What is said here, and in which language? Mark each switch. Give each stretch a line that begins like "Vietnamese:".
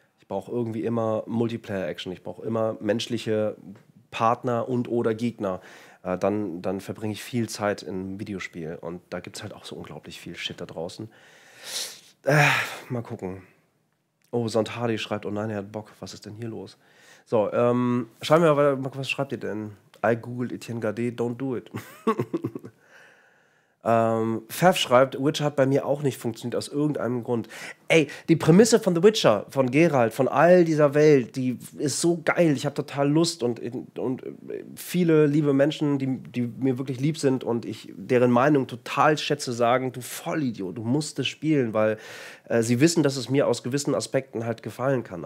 German: Ich brauche irgendwie immer Multiplayer-Action. Ich brauche immer menschliche Partner und oder Gegner. Dann verbringe ich viel Zeit im Videospiel. Und da gibt es halt auch so unglaublich viel Shit da draußen. Mal gucken. Oh, Sondhardy schreibt, oh nein, er hat Bock. Was ist denn hier los? So, schreiben wir mal, was schreibt ihr denn?
English: I googled Etienne Gardet, don't do it.
German: Fev schreibt, Witcher hat bei mir auch nicht funktioniert, aus irgendeinem Grund. Ey, die Prämisse von The Witcher, von Geralt, von all dieser Welt, die ist so geil. Ich habe total Lust und viele liebe Menschen, die mir wirklich lieb sind und ich deren Meinung total schätze, sagen, du Vollidiot, du musst es spielen, weil sie wissen, dass es mir aus gewissen Aspekten halt gefallen kann.